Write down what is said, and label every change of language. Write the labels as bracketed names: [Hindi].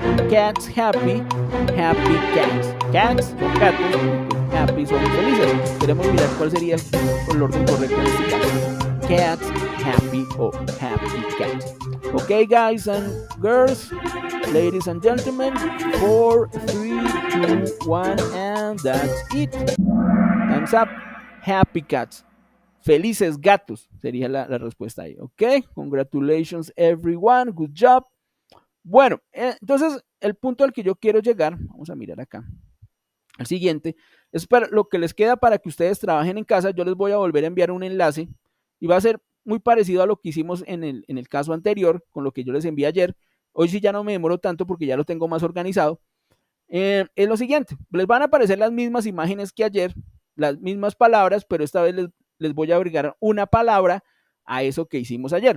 [English] Cats happy, happy cats. [Spanish] Cats son gatos, happy son felices. Queremos mirar cuál sería el orden correcto de este caso. [English] Cats happy o happy cats. Ok, guys and girls, ladies and gentlemen, 4, 3, 2, 1, and that's it. Time's up. Happy cats. [Spanish] Felices gatos sería la respuesta ahí. [English] Ok, congratulations everyone, good job. [Spanish] Bueno, entonces el punto al que yo quiero llegar, vamos a mirar acá, el siguiente, es para lo que les queda para que ustedes trabajen en casa. Yo les voy a volver a enviar un enlace y va a ser muy parecido a lo que hicimos en el caso anterior con lo que yo les envié ayer. Hoy sí ya no me demoro tanto porque ya lo tengo más organizado. Es lo siguiente, les van a aparecer las mismas imágenes que ayer, las mismas palabras, pero esta vez les voy a agregar una palabra a eso que hicimos ayer.